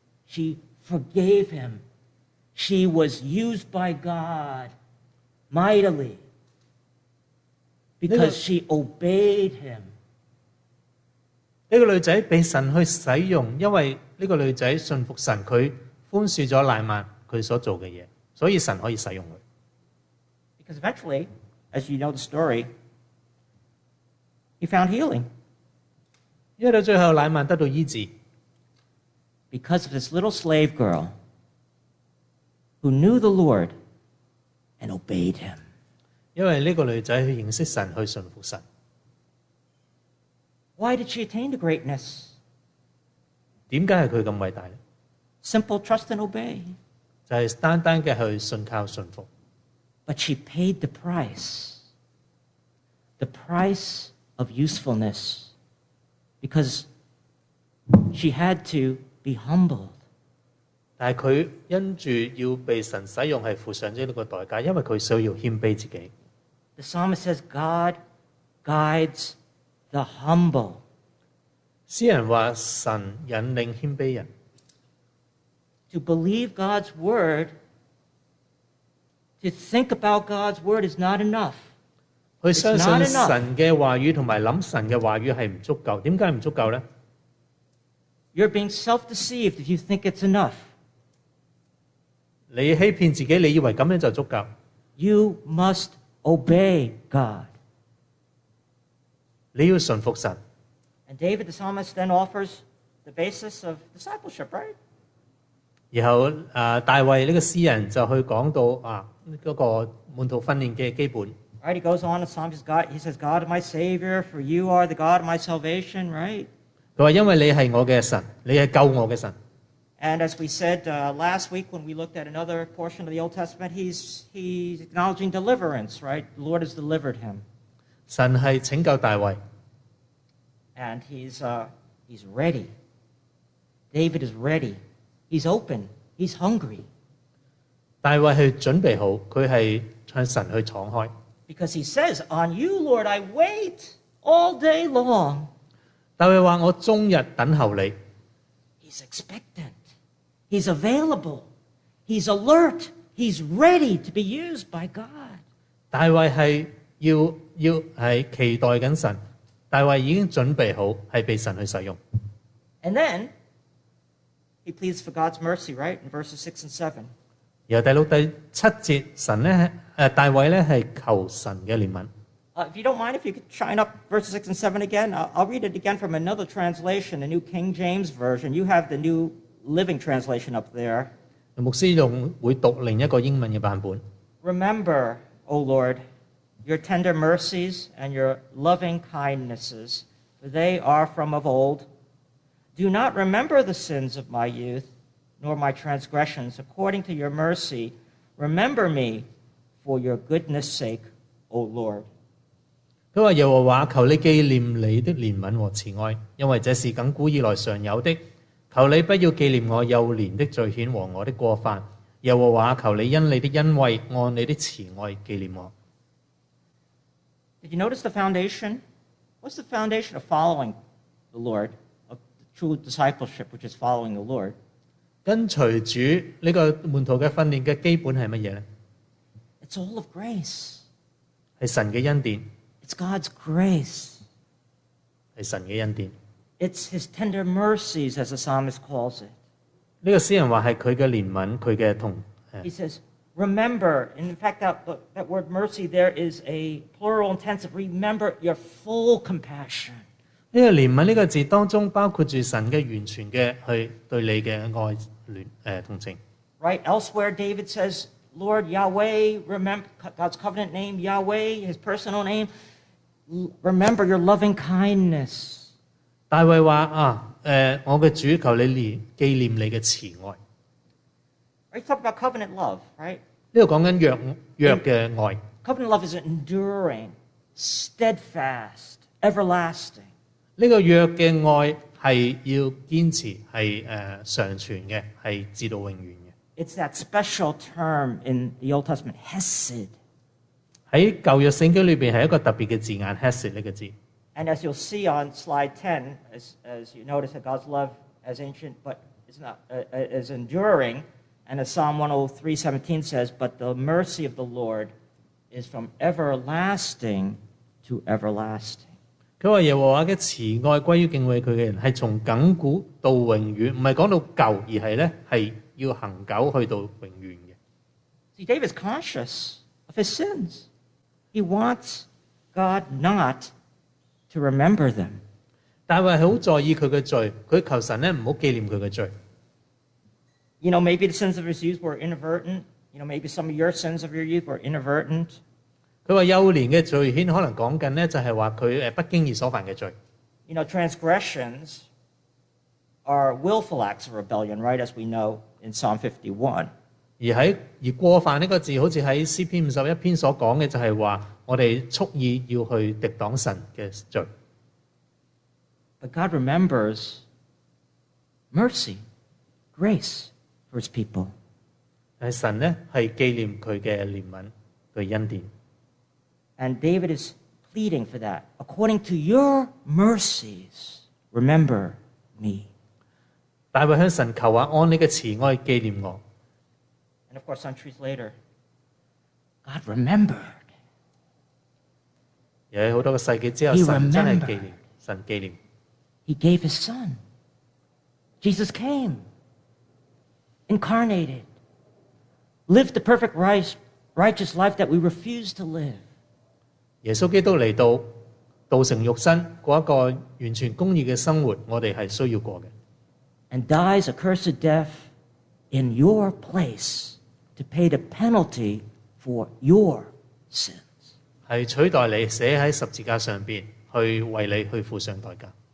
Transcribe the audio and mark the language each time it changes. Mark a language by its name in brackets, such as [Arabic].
[English] She forgave him. She was used by God mightily. Because she obeyed him. [Chinese] 这个女仔被神去使用，因为这个女仔信服神，她宽恕了乃曼她所做的事，所以神可以使用她。 [English] Because eventually, as you know the story, he found healing. [Chinese] 因为到最后乃曼得到医治。 [English] Because of this little slave girl who knew the Lord and obeyed him. [Chinese] 因为这个女仔去认识神，去顺服神。 [English] Why did she attain to greatness? [Chinese] 为什么她这么伟大呢？ [English] Simple trust and obey. [Chinese] 就是单单的去信靠顺服。 [English] But she paid the price. The price of usefulness. Because she had to be humbled. [Chinese] 但她因着要被神使用是付上这个代价，因为她需要谦卑自己。 [English] The psalmist says, God guides the humble. [Chinese] 诗人说神引领谦卑人。 [English] To believe God's word, to think about God's word is not enough. [Chinese] 去相信神的话语和想神的话语是不足够。为什么不足够呢？ [English] You're being self-deceived if you think it's enough. [Chinese] 你欺骗自己，你以为这样就足够。 [English] You must obey God. [Chinese] 你要顺服神。 [English] And David the psalmist then offers the basis of discipleship, right? [Chinese] 然后大卫这个诗人就去讲到那个门徒训练的基本。 [English] Right, he goes on to Psalms, he says, God my Savior, for you are the God of my salvation, right? [Chinese] 他说因为你是我的神，你是救我的神。 [English] And as we said last week when we looked at another portion of the Old Testament, he's acknowledging deliverance, right? The Lord has delivered him. [Chinese] 神是拯救大卫。 [English] And he's ready. David is ready. He's open. He's hungry. [Chinese] 大卫是准备好，他是向神去敞开。 [English] Because he says, on you, Lord, I wait all day long. [Chinese] 大卫说我终日等候你。 [English] He's expectant. He's available. He's alert. He's ready to be used by God. [Chinese] 大卫是要是期待着神。大卫已经准备好是被神去使用。 [English] And then, he pleads for God's mercy, right? In verses 6 and 7. [Chinese] 然后第六、第七节，神呢，大卫呢，是求神的怜悯。 [English] If you don't mind, if you could shine up verses 6 and 7 again, I'll read it again from another translation, the New King James Version. You have the New Living Translation up there. [Chinese] 牧师会读另一个英文的版本。 [English] Remember, O Lord, your tender mercies and your loving kindnesses, for they are from of old. Do not remember the sins of my youth, nor my transgressions. According to your mercy, remember me for your goodness' sake, O Lord. [Chinese] 他说耶和华，求你纪念你的怜悯和慈爱，因为这是亘古以来常有的。求你不要纪念我幼年的罪愆和我的过犯。耶和华，求你因你的恩惠，按你的慈爱纪念我。 [English] Did you notice the foundation? What's the foundation of following the Lord, of true discipleship, which is following the Lord? [Chinese] 跟随主这个门徒的训练的基本是什么呢？ [English] It's all of grace. [Chinese] 是神的恩典。 [English] It's God's grace. [Chinese] 是神的恩典。 [English] It's his tender mercies, as the psalmist calls it. [Chinese] 这个诗人说是他的怜悯，他的痛。 [English] He says, remember, in fact, that word mercy, there is a plural intensive, remember your full compassion. [Chinese] 这个怜悯这个字当中包括着神的完全的去对你的爱怜同情。 [English] Right, elsewhere David says, Lord Yahweh, remember God's covenant name, Yahweh, his personal name, remember your loving kindness. [Chinese] 大卫说我的主，求你纪念你的慈爱。 [English] Are you talking about covenant love, right? [Chinese] 这里讲的约的爱。 [English] Covenant love is enduring, steadfast, everlasting. [Chinese] 这个约的爱是要坚持，是常存的，是直到永远的。 [English] It's that special term in the Old Testament, hesed. [Chinese] 在旧约圣经里面是一个特别的字眼， hesed 这个字。 [English] And as you'll see on slide 10, as you notice that God's love is ancient, but is not is enduring, and as Psalm 103:17 says, but the mercy of the Lord is from everlasting to everlasting. [Chinese] 他说耶和华的慈爱归于敬畏他的人，是从亘古到永远，不是讲到旧，而是呢，是要恒久去到永远的。 [English] See, David's conscious of his sins. He wants God not to remember them. [Chinese] 大卫很在意他的罪，他求神不要纪念他的罪。 [English] You know, maybe the sins of his youth were inadvertent. You know, maybe some of your sins of your youth were inadvertent. [Chinese] 他说幼年的罪愆可能讲的就是他不经意所犯的罪。 [English] You know, transgressions are willful acts of rebellion, right, as we know in Psalm 51. [Chinese] 而过犯这个字好像在诗篇51篇所讲的就是说我们蓄意要去敌挡神的罪。 [English] But God remembers mercy, grace for his people. [Chinese] 但神呢是纪念他的怜悯和恩典。 [English] And David is pleading for that. According to your mercies, remember me. [Chinese] 大卫向神求按你的慈爱纪念我。 [English] And of course, centuries later, God remembered. [Chinese] 有很多个世纪之后，神真系纪念，神纪念。 [English] He gave his son. Jesus came, incarnated, lived the perfect righteous life that we refuse to live. [Chinese] 耶稣基督来到，道成肉身，过一个完全公义的生活，我们是需要过的。 [English] And dies a cursed death in your place to pay the penalty for your sins. [Chinese] 是取代你死在十字架上面，去为你去付上代价。